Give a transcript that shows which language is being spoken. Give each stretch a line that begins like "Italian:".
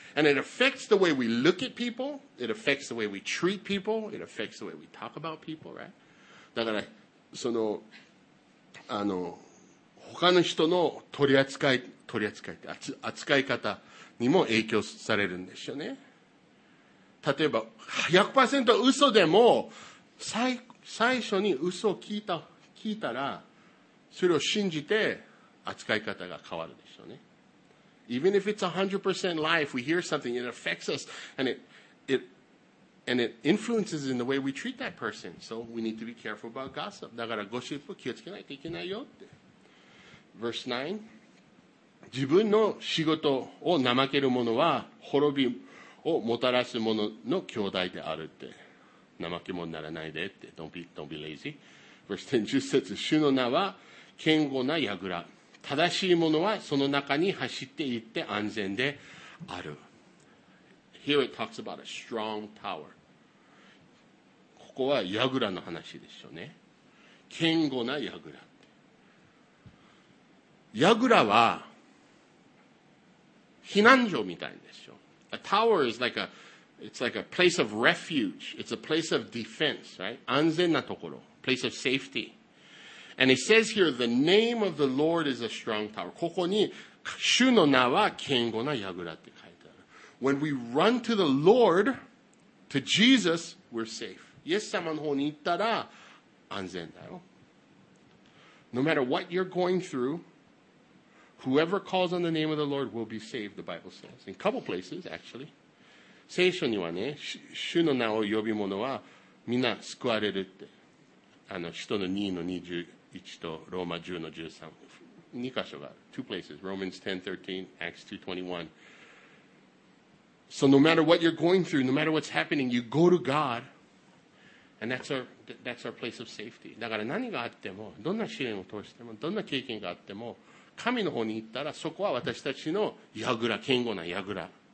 English: And it affects the way we look at people. It affects the way we treat people. It affects the way we talk about people, right?
Japanese: だから、その、あの、他の人の取り扱いって、扱い方にも影響されるんですよね。例えば、100% 嘘でも、最初に嘘を聞いたら、それを信じて扱い方が変わるでしょうね。
English: Even if it's 100% lie, if we hear something, it affects us and it influences in the way we treat that person. So we need to be careful about gossip.
Japanese: だからゴシップ気をつけないといけないよって。
English: Verse 9,
Japanese: 自分の仕事を怠ける者は滅びをもたらす者の兄弟であるって。怠け者にならないでって。
English: Don't be lazy. Verse 10,
Japanese: 10節、主の名は堅固な櫓。正しい者はその中に走って行って安全である。
English: Here it talks about a strong tower.
Japanese: ここは櫓の話でしょうね。堅固な櫓。櫓は避難所みたいでしょ。
English: A tower is like a place of refuge. It's a place of defense, right?
Japanese: 安全なところ。
English: Place of safety. And it says here, the name of the Lord is a strong tower.
Japanese: ここに、主の名は堅固な櫓って書いてある。
English: When we run to the Lord, to Jesus, we're safe.
Japanese: イエス様の方に行ったら安全だよ。
English: No matter what you're going through, whoever calls on the name of the Lord will be saved, the Bible says. In a couple places, actually.
Japanese: 聖書にはね、主の名を呼び者はみんな救われるって。あの、使徒の2の21とローマ10の13。 2箇所がある。
English: 2 places. Romans 10, 13, Acts 2, 21. So no matter what you're going through, no matter what's happening, you go to God. And that's our place of safety.
Japanese: だから何があっても、どんな試練を通しても、どんな経験があっても、神の方に行ったらそこは私たちの櫓、堅固な櫓。